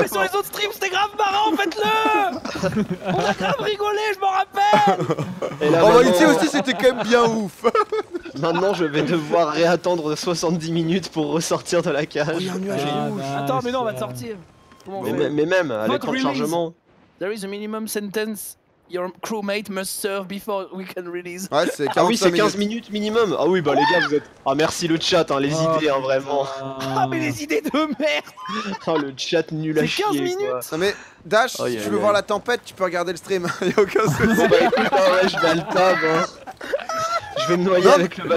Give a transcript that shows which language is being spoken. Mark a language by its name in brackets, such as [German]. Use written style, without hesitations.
[French] Mais sur les autres streams, c'était grave marrant, faites-le. On a grave rigolé, je m'en rappelle. Et là, maintenant... En réalité aussi, c'était quand même bien ouf. Maintenant, je vais devoir réattendre 70 minutes pour ressortir de la cage. Oh, il y a un nuage et rouge. Attends, mais non, on va te sortir. Mais même, à l'écran de chargement. [English] There is a minimum sentence your crewmate must serve before we can release. [French] Ouais, c'est 15 minutes. Ah oui, 15 minutes minimum. Ah oui, bah les gars, vous êtes. Ah merci le chat, hein, les idées, hein, vraiment. Ah, mais les idées de merde. Oh, le chat nul à chier. C'est 15 minutes. Non, mais Dash, si tu veux voir la tempête, tu peux regarder le stream. Y'a aucun souci. Bon, bah écoute, ouais, je vais à le tab. Hein. Je vais me noyer avec le bateau.